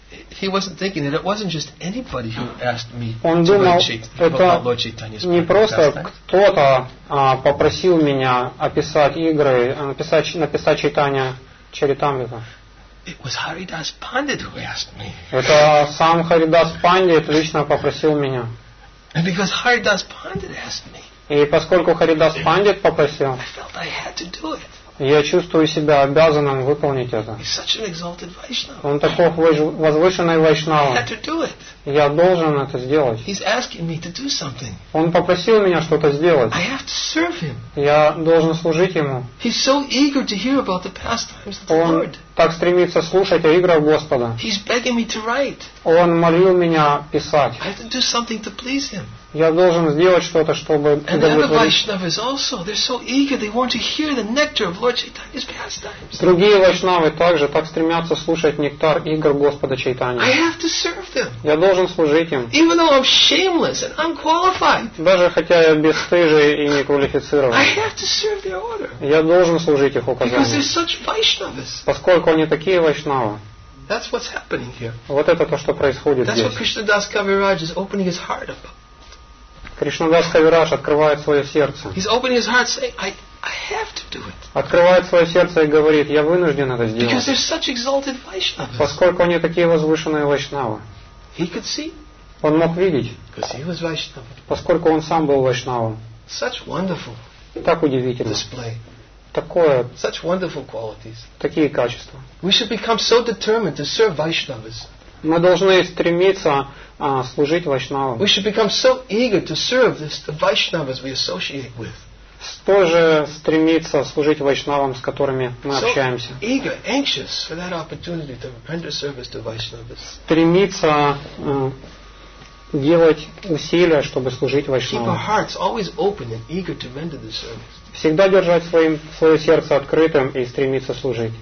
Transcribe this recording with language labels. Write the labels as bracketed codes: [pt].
[en] He wasn't thinking that it wasn't just anybody who asked me to recite about Lord Chaitanya's [ru] не просто кто-то попросил меня описать игры, написать читание. [en] It was Haridas Pandit who asked me. [ru] Это сам Харидас Пандит лично попросил меня. [en] And because Haridas Pandit asked me. [ru] И поскольку Харидас Пандит попросил, [en] I felt I had to do it. [ru] Я чувствую себя обязанным выполнить это. [en] He's such an exalted Vaishnava. [ru] Он такой возвышенный Вайшнава. [en] I had to do it. [ru] Я должен это сделать. [en] He's asking me to do something. [ru] Он попросил меня что-то сделать. [en] I have to serve him. [ru] Я должен служить ему. [en] He's so eager to hear about the pastimes of the [ru] Он [en] Lord. [ru] Так стремится слушать о играх Господа. [en] He's begging me to write. [ru] Он молил меня писать. [en] I have to do something to please him. [ru] Я должен сделать что-то, чтобы другие вайшнавы также так стремятся слушать нектар игр Господа Чайтани. Я должен служить им. [en] Even though I'm shameless and unqualified. [ru] Даже хотя я бесстыжий и неквалифицирован. [en] I have to serve their order. [ru] Я должен служить их указаниям. [en] Because they're such vaishnavas. [ru] Поскольку они такие вайшнавы. [en] That's what's happening here. [ru] Вот это то, что происходит [en] That's [ru] здесь. [en] What Krishna Das Kaviraj is opening his heart up. [ru] Кришнадас Кавирадж открывает свое сердце. [en] He's opening his heart, saying, I have to do it. [ru] Открывает свое сердце и говорит, я вынужден это сделать. [en] Because they're such exalted Vaishnavas. [ru] Поскольку они такие возвышенные вайшнавы. [en] He could see. [ru] Он мог видеть. [en] Because he was Vaishnava. [ru] Поскольку он сам был вайшнавом. [en] Such wonderful. [ru] Так удивительно. [en] Display. [ru] Такое. [en] Such wonderful qualities. [ru] Такие качества. [en] We should become so determined to serve Vaishnavas. [ru] Мы должны стремиться служить вайшнавам. [en] We should become so eager to serve the Vaishnavas we associate with. [ru] Тоже стремиться служить вайшнавам, с которыми мы общаемся. [en] So eager, anxious for that opportunity to render service to Vaishnavas. [ru] Стремиться делать усилия, чтобы служить вайшнавам. [en] Keep our hearts always open and eager to render the service. [ru] Всегда держать свое сердце открытым и стремиться служить.